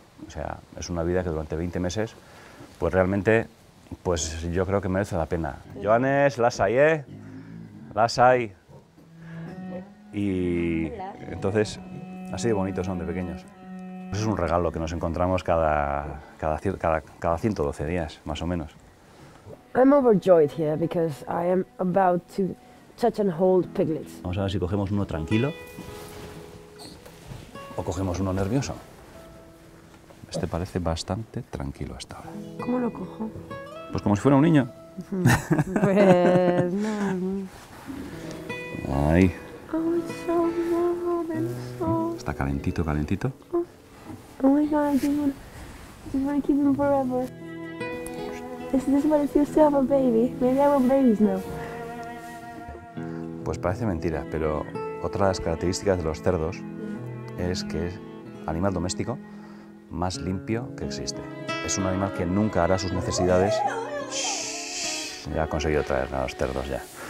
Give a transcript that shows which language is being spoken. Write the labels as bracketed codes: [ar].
[es] O sea, es una vida que durante 20 meses, pues realmente, pues yo creo que merece la pena. Joanes, [eu] lasai, lasai. [es] Y entonces, así de bonitos son de pequeños. Pues es un regalo que nos encontramos cada 112 días, más o menos. [en] I'm overjoyed here because I am about to touch and hold piglets. [es] Vamos a ver si cogemos uno tranquilo o cogemos uno nervioso. Este parece bastante tranquilo hasta ahora. ¿Cómo lo cojo? Pues como si fuera un niño. Pues no. Ahí. [en] Oh, it's so warm and so... [es] Está calentito, calentito. [en] Oh my God, I'm gonna keep him forever. This is what it feels to have a baby. Maybe I want babies now. [es] Pues parece mentira, pero otra de las características de los cerdos es que es animal doméstico más limpio que existe. Es un animal que nunca hará sus necesidades. Shh, ya ha conseguido traer a los cerdos ya.